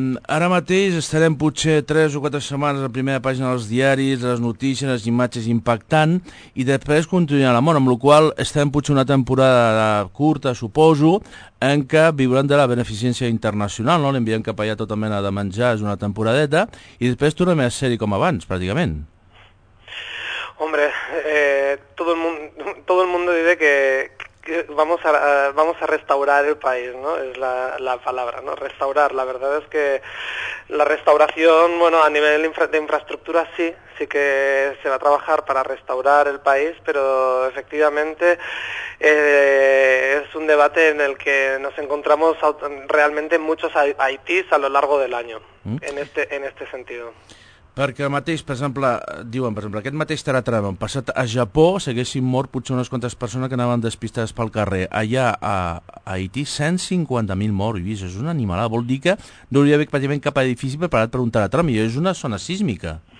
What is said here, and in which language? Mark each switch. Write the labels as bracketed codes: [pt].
[ca] Ara mateix estarem potser 3 o 4 setmanes a la primera pàgina dels diaris, les notícies, les imatges impactant, i després continuarà la mort, amb la qual estem potser una temporada curta, suposo, en què viuran de la beneficència internacional, no? L'enviem cap allà tota mena de menjar, és una temporadeta, i després tornem a ser-hi com abans, pràcticament. [es] Hombre, todo el mundo dice que vamos a restaurar el país, ¿no? Es la palabra, ¿no? Restaurar. La verdad es que la restauración, bueno, a nivel de infraestructura sí que se va a trabajar para restaurar el país, pero efectivamente es un debate en el que nos encontramos realmente muchos haitís a lo largo del año, en este sentido. [ca] Perquè el mateix, per exemple, diuen, per exemple, aquest mateix terratrèmol passat a Japó s'haguessin mort potser unes quantes persones que anaven despistades pel carrer. Allà, a Haití, 150.000 morts, Lluís, és una animalada. Vol dir que no hauria d'haver pràcticament cap edifici preparat per un terratrèmol, és una zona sísmica.